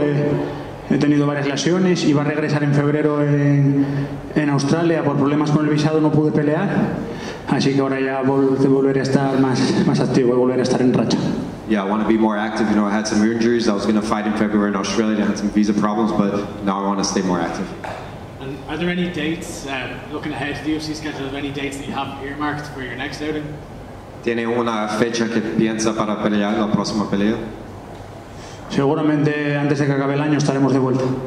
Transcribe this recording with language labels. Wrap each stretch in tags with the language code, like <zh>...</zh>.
<es>He tenido varias lesiones y va a regresar en febrero en Australia. Por problemas con el visado no pude pelear, así que ahora ya volveré a estar más activo y volveré a estar en racha.</es> <en>Yeah, I want to be more active. You know, I had some injuries. I was going to fight in February in Australia. I had some visa problems, but now I want to stay more active. And are there any dates looking ahead to the UFC schedule? Are there any dates that you have earmarked for your next outing?</en> <es>¿Tiene una fecha que piensa para pelear la próxima pelea? Seguramente antes de que acabe el año estaremos de vuelta.</es>